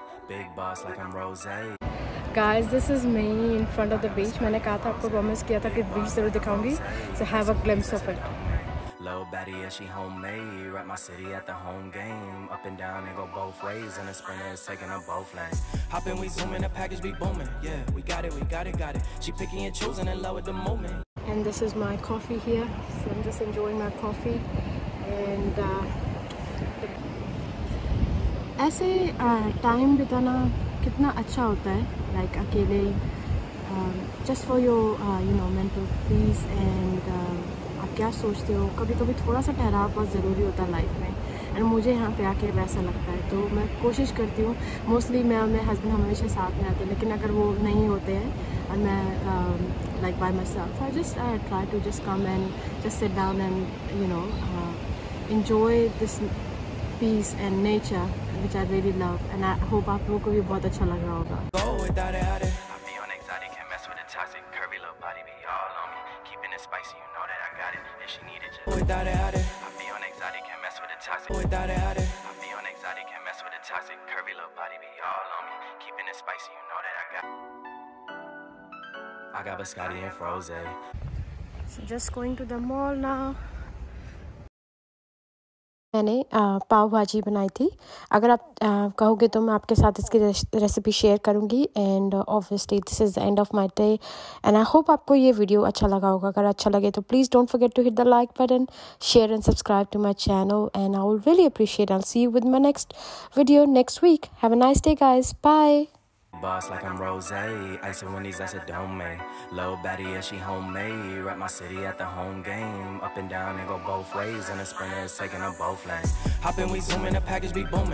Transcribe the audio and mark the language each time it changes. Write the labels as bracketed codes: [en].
[en] Guys, this is me in front of the beach. [hi] मैंने कहा था आपको, promise किया था कि beach जरूर दिखाऊंगी, [en] so have a glimpse of it. Low baddie, yeah, she homemade. Rap my city at the home game. Up and down and go both ways, and the sprinter is taking up both lanes. Hopping, we zooming, the package be booming. Yeah, we got it. She picking and choosing and love at the moment. And this is my coffee here. So I'm just enjoying my coffee and. [hi] ऐसे time बिताना कितना अच्छा होता है, like अकेले, [en] just for your you know mental peace [hi] and आप क्या सोचते हो। कभी कभी थोड़ा सा ठहराव बहुत ज़रूरी होता है लाइफ में, एंड मुझे यहाँ पे आके वैसा लगता है। तो मैं कोशिश करती हूँ, मोस्टली मैं और मेरे हस्बैंड हमेशा साथ में आते हैं, लेकिन अगर वो नहीं होते हैं एंड मैं like [en] by myself, I just try to just come and just sit down and you know enjoy this peace and nature which I really love and I hope [hi] aap logo ko bhi bahut acha lag raha hoga. [en] Go without it, out it. I'm beyond exotic, can't mess with a toxic curvy little body, be all on me, keeping it spicy, you know that I got it, and she needed you. Go without it, out it. I'm beyond exotic, can't mess with a toxic. Go without it, out it. I'm beyond exotic, can't mess with a toxic curvy little body, be all on me, keeping it spicy, you know that I got it. I got biscotti and froze. So just going to the mall now. [hi] मैंने पाव भाजी बनाई थी, अगर आप कहोगे तो मैं आपके साथ इसकी रेसिपी शेयर करूंगी। [en] and obviously this is the end of my day and I hope [hi] आपको ये वीडियो अच्छा लगा होगा। अगर अच्छा लगे तो [en] Please don't forget to hit the like button, share and subscribe to my channel and I will really appreciate. I will see you with my next video next week. Have a nice day guys, bye. Boss like I'm rosé, ice and Wendy's, that's a domain. Lil' baddie, yeah, she homemade. Rap my city at the home game. Up and down and go both ways, and the sprinter is taking up both lanes. Hopping, we zooming, the package be booming.